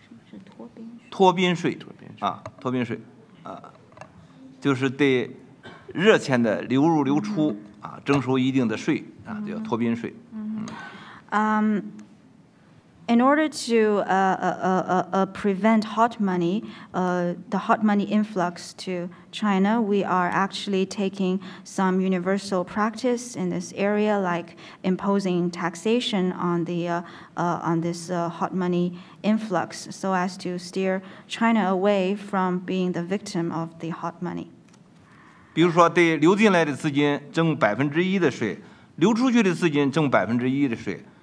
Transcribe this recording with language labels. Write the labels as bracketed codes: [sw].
[zh] 为了防止大量的热钱融入，最近我们也在研究，采用通行的办法，比如说征收脱冰税，来解决热钱的流入流出的问题，来避免带来中国经济的波动。脱冰税。就是对热钱的流入流出，征收一定的税，叫脱冰税。 [en] In order to prevent hot money, the hot money influx to China, we are actually taking some universal practice in this area, like imposing taxation on the hot money influx, so as to steer China away from being the victim of the hot money. [zh] 比如说，对流进来的资金征1%的税，流出去的资金征1%的税。